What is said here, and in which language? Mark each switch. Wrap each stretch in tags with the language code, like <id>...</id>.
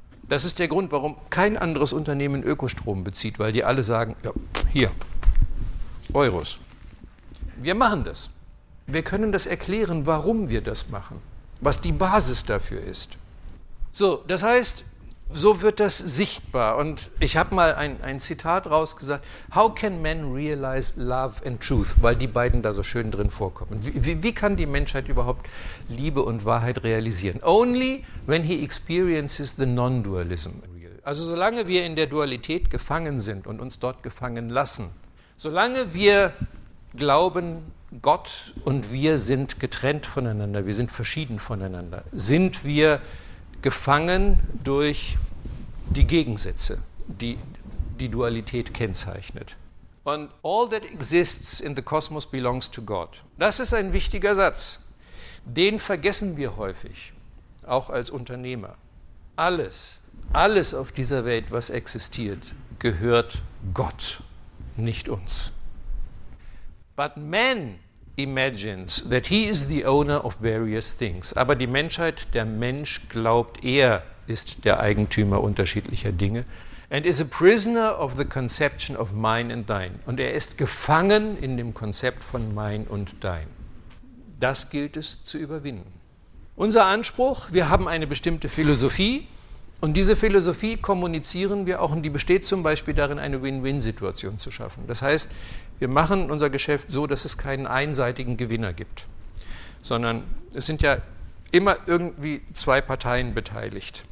<de>Das ist der Grund, warum kein anderes Unternehmen Ökostrom bezieht, weil die alle sagen, ja, hier, Euros. Wir machen das. Wir können das erklären, warum wir das machen, was die Basis dafür ist. So, das heißt, so wird das sichtbar. Und ich habe mal ein Zitat rausgesagt.</de> <en>How can men realize love and truth?</en> <de>Weil die beiden da so schön drin vorkommen. Wie kann die Menschheit überhaupt Liebe und Wahrheit realisieren?</de> <en>Only when he experiences the non-dualism.</en> <de>Also solange wir in der Dualität gefangen sind und uns dort gefangen lassen, solange wir glauben, Gott und wir sind getrennt voneinander, wir sind verschieden voneinander, sind wir gefangen durch die Gegensätze, die die Dualität kennzeichnet.</de> <en>And all that exists in the cosmos belongs to God.</en> <de>Das ist ein wichtiger Satz. Den vergessen wir häufig, auch als Unternehmer. Alles, alles auf dieser Welt, was existiert, gehört Gott, nicht uns.</de> <en>But man imagines that he is the owner of various things.</en> <de>Aber die Menschheit, der Mensch, glaubt, er ist der Eigentümer unterschiedlicher Dinge.</de> <en>And is a prisoner of the conception of mine and thine.</en> <de>Und er ist gefangen in dem Konzept von mein und dein. Das gilt es zu überwinden. Unser Anspruch, wir haben eine bestimmte Philosophie und diese Philosophie kommunizieren wir auch und die besteht zum Beispiel darin, eine Win-Win-Situation zu schaffen. Das heißt, wir machen unser Geschäft so, dass es keinen einseitigen Gewinner gibt, sondern es sind ja immer irgendwie zwei Parteien beteiligt.</de>